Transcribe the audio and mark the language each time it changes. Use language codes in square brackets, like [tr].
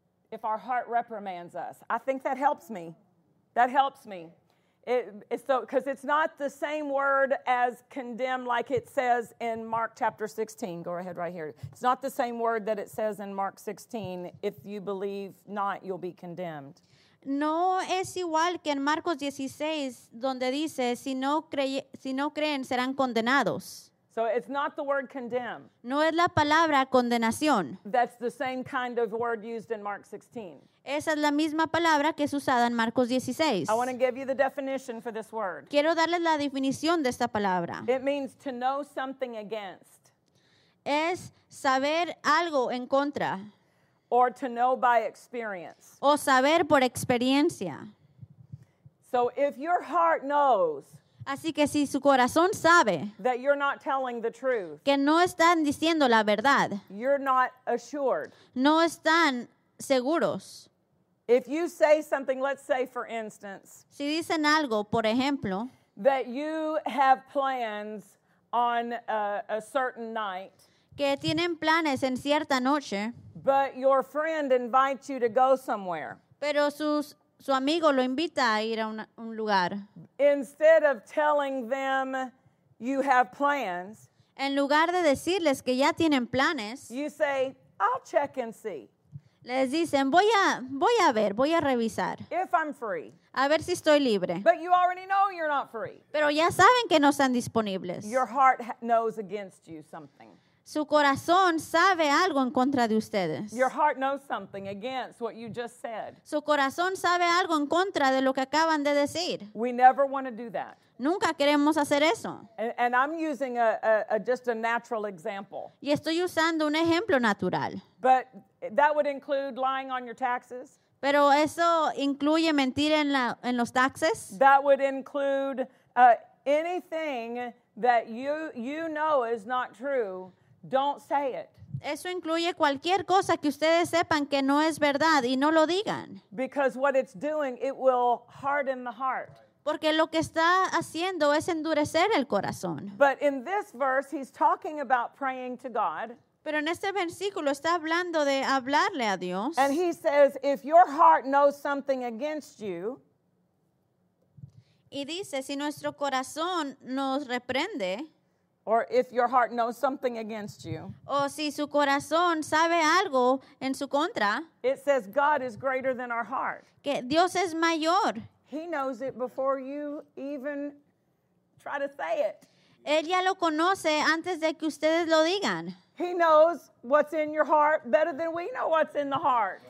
[en] If our heart reprimands us. I think that helps me. That helps me. Because it's not the same word as condemn like it says in Mark chapter 16. Go ahead right here. It's not the same word that it says in Mark 16. If you believe not, you'll be condemned. [es] No es igual que en Marcos 16, donde dice, si no creen, serán condenados. [en] So it's not the word condemn. [es] No es la palabra condenación. [en] That's the same kind of word used in Mark 16. [es] Esa es la misma palabra que es usada en Marcos 16. [en] I want to give you the definition for this word. [es] Quiero darles la definición de esta palabra. [en] It means to know something against. [es] Es saber algo en contra. [en] Or to know by experience. [es] O saber por experiencia. [en] So if your heart knows. [es] Así que si su corazón sabe [en] that you're not telling the truth, [es] que no están diciendo la verdad, [en] you're not assured. [es] No están seguros. [en] If you say something, let's say for instance, [es] si dicen algo, por ejemplo, [en] that you have plans on a certain night, [es] que tienen planes en cierta noche, [en] but your friend invites you to go somewhere. [es] Pero su amigo lo invita a ir a un lugar. [en] Instead of telling them you have plans, [es] en lugar de decirles que ya tienen planes, [en] you say, I'll check and see. [es] Les dicen, voy a ver, voy a revisar. [en] If I'm free. [es] A ver si estoy libre. [en] But you already know you're not free. [es] Pero ya saben que no están disponibles. [en] Your heart knows against you something. [es] Su corazón sabe algo en contra de ustedes. [en] Your heart knows something against what you just said. [es] Su corazón sabe algo en contra de lo que acaban de decir. [en] We never want to do that. [es] Nunca queremos hacer eso. [en] And I'm using a just a natural example. [es] Y estoy usando un ejemplo natural. [en] But that would include lying on your taxes. [es] Pero eso incluye mentir en los taxes. [en] That would include anything that you know is not true. Don't say it. [es] Eso incluye cualquier cosa que ustedes sepan que no es verdad y no lo digan. [en] Because what it's doing, it will harden the heart. [es] Porque lo que está haciendo es endurecer el corazón. [en] But in this verse, he's talking about praying to God. [es] Pero en este versículo está hablando de hablarle a Dios. [en] And he says, if your heart knows something against you, [es] y dice, si nuestro corazón nos reprende, [en] or if your heart knows something against you. [es] O si su corazón sabe algo en su contra. [en] It says God is greater than our heart. [es] Que Dios es mayor. [en] He knows it before you even try to say it. [es] Él ya lo conoce antes de que ustedes lo digan. [en] He knows what's in your heart better than we know what's in the heart.